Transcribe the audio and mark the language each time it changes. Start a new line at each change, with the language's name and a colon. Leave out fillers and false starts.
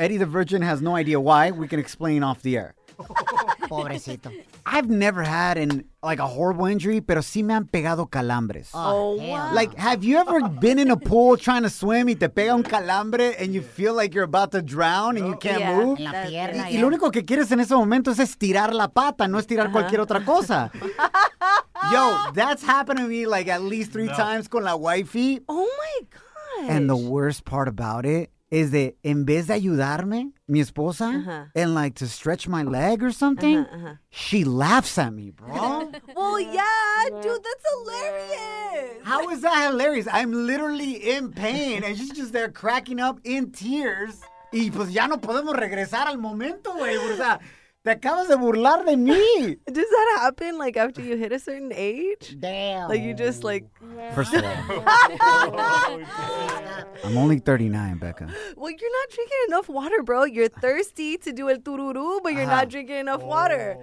English: Eddie the Virgin has no idea why. We can explain off the air.
Spanish: Pobrecito.
English: I've never had a horrible injury,
Spanish: pero sí me han pegado calambres.
English: Oh, wow. Like, have you ever been in a pool trying to swim
Spanish: y te pega un calambre
English: and you feel like you're about to drown and you can't move?
Spanish: En la pierna, y lo único que quieres en ese momento es estirar la pata, no estirar cualquier otra cosa.
English: Yo, that's happened to me like at least three times
Spanish: con la wifey.
English: Oh, my gosh. And the worst part about it is that
Spanish: en vez de ayudarme, mi esposa,
English: and like to stretch my leg or something, she laughs at me, bro. Well, yeah, dude, that's hilarious. How is that hilarious? I'm literally in pain and she's just there cracking up in tears.
Spanish: Y pues ya no podemos regresar al momento, güey. O sea, te acabas de burlar de mí.
English: Does that happen like after you hit a certain age? Damn. Like you just like. Yeah. First of all. I'm only 39, Becca. Well, you're not drinking enough water, bro. You're thirsty to do el tururu, but you're not drinking enough water.